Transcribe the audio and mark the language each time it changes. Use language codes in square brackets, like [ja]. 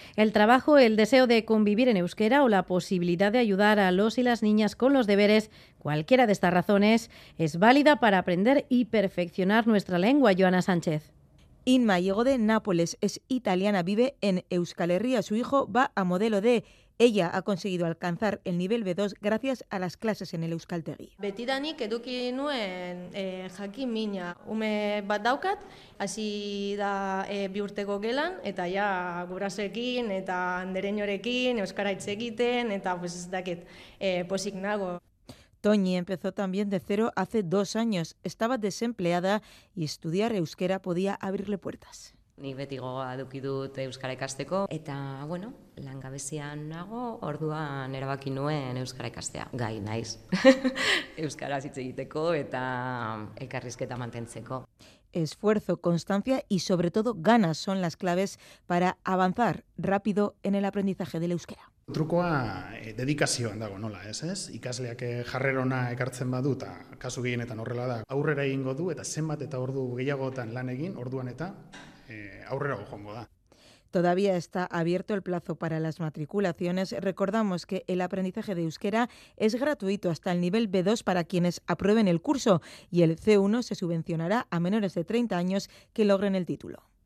[es] El trabajo, el deseo de convivir en euskera o la posibilidad de ayudar a los y las niñas con los deberes, cualquiera de estas razones, es válida para aprender y perfeccionar nuestra lengua, Joana Sánchez. Inma llegó de Nápoles, es italiana, vive en Euskal Herria. Su hijo va a modelo D. Ella ha conseguido alcanzar el nivel B2 gracias a las clases en el euskaltegi. [eu] Betidanik eduki nuen jakin mina. Ume bat daukat, hasi da biurteko gelan, eta ja gurasoekin, eta andereñorekin, euskara hitz egiten, eta pues ez dakit, posik nago. [es] Toñi empezó también de cero hace 2 años. Estaba desempleada y estudiar euskera podía abrirle puertas. [eu] Ni beti gogoa eduki dut euskara ikasteko eta bueno, langabezian nago, orduan erabaki nuen euskara ikastea. Gai naiz. Euskaraz hitz egiteko eta elkarrizketa mantentzeko. [es] Esfuerzo, constancia y sobre todo ganas son las claves para avanzar rápido en el aprendizaje del euskera. [eu] Trukoa dedikazioan dago, nola, ez? Ikasleak jarrerona ekartzen badu eta kasu gehienetan horrela da. Aurrera egingo du eta zenbat eta ordu gehiagotan lan egin, orduan eta aurrera joango da. [es] Todavía está abierto el plazo para las matriculaciones. Recordamos que el aprendizaje de euskera es gratuito hasta el nivel B2 para quienes aprueben el curso y el C1 se subvencionará a menores de 30 años que logren el título.